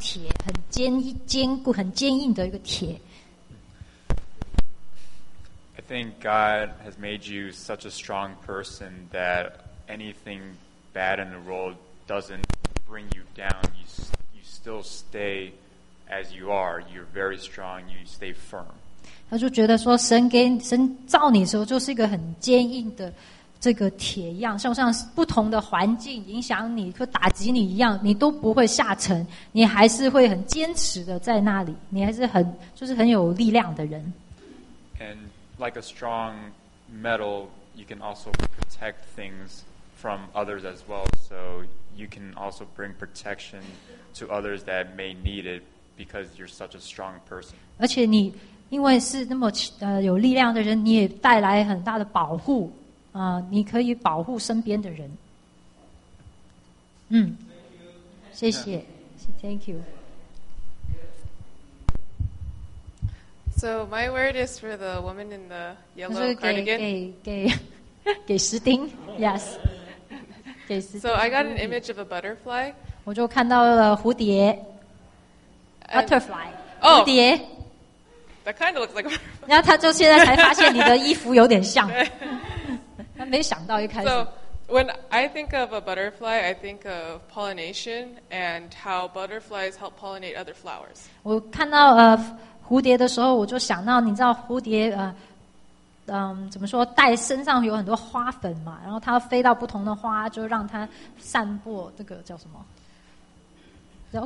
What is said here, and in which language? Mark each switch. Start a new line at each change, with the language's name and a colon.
Chinese: 我看到这一幅图画，就是看到你是一个很强的，一个像那个铁一样，像铁，很坚固、很坚硬的一个铁。
English: I think God has made you such a strong person that anything bad in the world doesn't bring you down. You still stay as you are. You're very strong. You stay firm.
Chinese: 他就觉得说，神造你的时候就是一个很坚硬的这个铁一样，像不同的环境影响你，或打击你一样，你都不会下沉，你还是会很坚持的在那里，你还是很就是很有力量的人。
English: And like a strong metal, you can also protect things from others as well. So you can also bring protection to others that may need it because you're such a strong person.
Chinese: 而且你因为是那么有力量的人, 你也带来很大的保护, 你可以保护身边的人。谢谢。
English: Thank you. So my word is for the woman in the yellow cardigan.
Chinese: 给石丁, yes. 给石丁,
English: so I got an image of a butterfly.
Chinese: 我就看到了蝴蝶, butterfly, oh, 蝴蝶,
English: that kind of looks like a butterfly.
Chinese: 然后他就现在才发现你的衣服有点像, 他没想到一开始。
English: When I think of a butterfly, I think of pollination and how butterflies help pollinate other flowers.
Chinese: 我看到, 蝴蝶的时候, 我就想到, 你知道蝴蝶, 怎么说, 带身上有很多花粉嘛, 然后它飞到不同的花, 就让它散播这个叫什么?